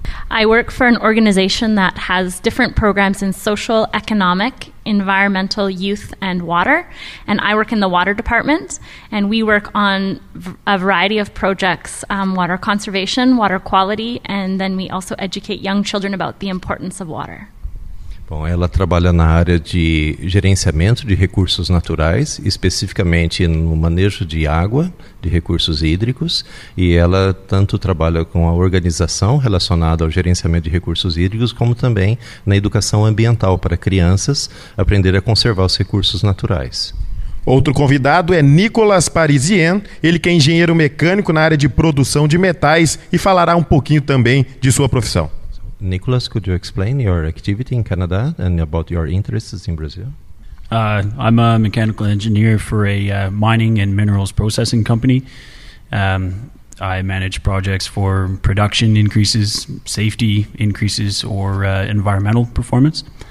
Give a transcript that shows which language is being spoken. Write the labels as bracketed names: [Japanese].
[English] I work for an organization that has different programs in social, economic, environmental, youth, and water. And I work in the water department. And we work on a variety of projects, water conservation, water quality, and then we also educate young children about the importance of water. [Portuguese] Bom, ela trabalha na área de gerenciamento de recursos naturais, especificamente no manejo de água, de recursos hídricos, e ela tanto trabalha com a organização relacionada ao gerenciamento de recursos hídricos, como também na educação ambiental para crianças aprender a conservar os recursos naturais. Outro convidado é Nicolas Parisien, ele que é engenheiro mecânico na área de produção de metais e falará um pouquinho também de sua profissão. [English] Nicolas, could you explain your activity in Canada and about your interests in Brazil? I'm a mechanical engineer for a mining and minerals processing company. I manage projects for production increases, safety increases, or environmental performance.